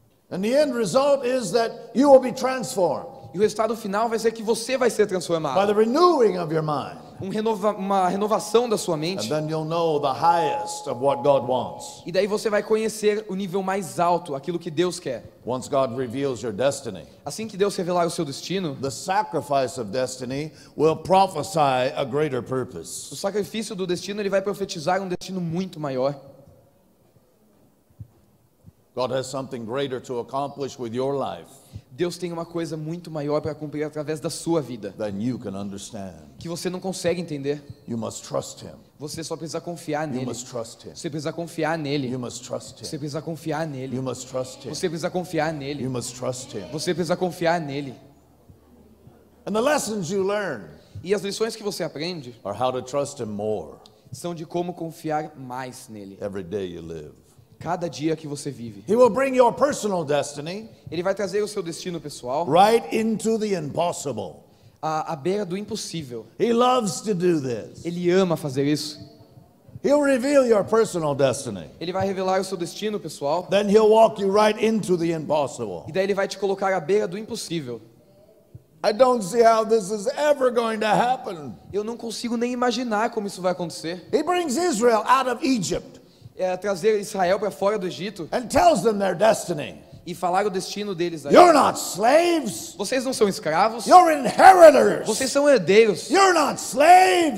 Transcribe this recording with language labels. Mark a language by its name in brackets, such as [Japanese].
[English] And the end result is that you will be transformed. [Portuguese] E o resultado final vai ser que você vai ser transformado. [English] By the renewing of your mind. [Portuguese] Uma renovação da sua mente. [English] And then you'll know the highest of what God wants. [Portuguese] E daí você vai conhecer o nível mais alto, aquilo que Deus quer. [English] Once God reveals your destiny. [Portuguese] Assim que Deus revelar o seu destino. [English] The sacrifice of destiny will prophesy a greater purpose. [Portuguese] O sacrifício do destino ele vai profetizar um destino muito maior. [English] God has something greater to accomplish with your life. [Portuguese] Deus tem uma coisa muito maior para cumprir através da sua vida. [English] Than you can understand. [Portuguese] Que você não consegue entender. [English] You must trust him. [Portuguese] Você só precisa confiar nele. [English] You must trust him. [Portuguese] Você precisa confiar nele. [English] You must trust him. [Portuguese] Você precisa confiar nele. [English] You must trust him. [Portuguese] Você precisa confiar nele. [English] You must trust him. [Portuguese] Você precisa confiar nele. [English] And the lessons you learn. [Portuguese] E as lições que você aprende. [English] Are how to trust him more. [Portuguese] São de como confiar mais nele. [English] Every day you live. [Portuguese] Cada dia que você vive. [English] He will bring your personal destiny. [Portuguese] Ele vai trazer o seu destino pessoal. [English] Right into the impossible. [Portuguese] À beira do impossível. [English] He loves to do this. [Portuguese] Ele ama fazer isso. [English] He'll reveal your personal destiny. [Portuguese] Ele vai revelar o seu destino pessoal. [English] Then he'll walk you right into the impossible. [Portuguese] E daí ele vai te colocar à beira do impossível. [English] I don't see how this is ever going to happen. [Portuguese] Eu não consigo nem imaginar como isso vai acontecer. [English] He brings Israel out of Egypt. [Portuguese] É trazer Israel para fora do Egito. [English] And tells them their destiny. [Portuguese] e falar o destino deles aí. [English] You're not slaves. [Portuguese] Vocês não são escravos. [English] You're inheritors. [Portuguese] Vocês são herdeiros. [English] You're not slaves.